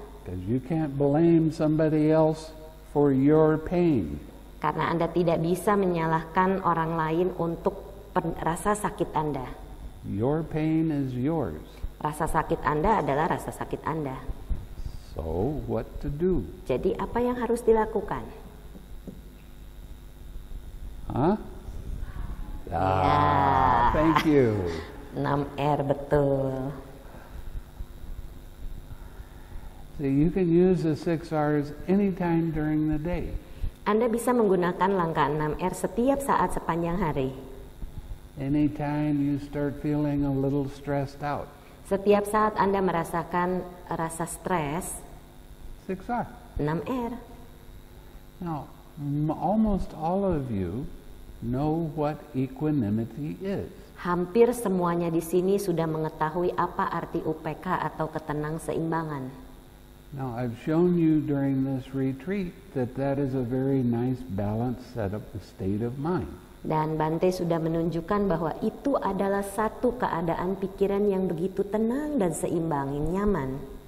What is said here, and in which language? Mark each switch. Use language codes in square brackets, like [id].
[en] Because you can't blame somebody else for your pain. [id] Karena Anda tidak bisa menyalahkan orang lain untuk rasa sakit Anda. [en] Your pain is yours. [id] Rasa sakit Anda adalah rasa sakit Anda. [en] So, what to do? [id] Jadi apa yang harus dilakukan? Hah? [en] Yeah. Thank you. [id] 6R betul. [en] So you can use the 6 R's anytime during the day. [id] Anda bisa menggunakan langkah 6R setiap saat sepanjang hari. [en] Anytime you start feeling a little stressed out. [id] Setiap saat Anda merasakan rasa stres. [en] 6 R. 6 R. Now, almost all of you know what equanimity is. [id] Hampir semuanya di sini sudah mengetahui apa arti UPK atau ketenang seimbangan. [en] Now I've shown you during this retreat that that is a very nice balanced setup state of mind. [id] Dan Bante sudah menunjukkan bahwa itu adalah satu keadaan pikiran yang begitu tenang dan seimbang, nyaman.